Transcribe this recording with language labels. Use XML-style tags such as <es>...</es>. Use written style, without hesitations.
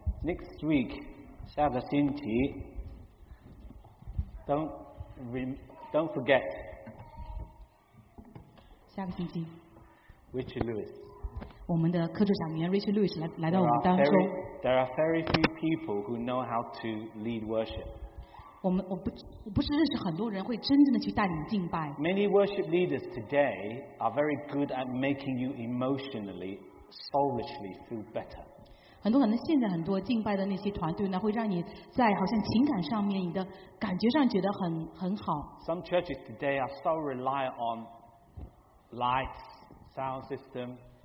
<en>Next week,</en> <zh>下个星期,</zh> <en>don't forget.</en> <zh>下个星期,</zh> <en>Richard Lewis.</en> <zh>我们的课助讲员 Richard Lewis 来到我们当中。</zh> <en>There are very few people who know how to lead worship.</en> <zh>我不是认识很多人会真正的去带领敬拜。</zh> <en>Many worship leaders today are very good at making you emotionally, soulishly feel better.</en> <zh>很多可能现在很多敬拜的那些团队呢，会让你在好像情感上面，你的感觉上觉得很好。</zh> <en>Some churches today are so reliant on lights, sound system.</en>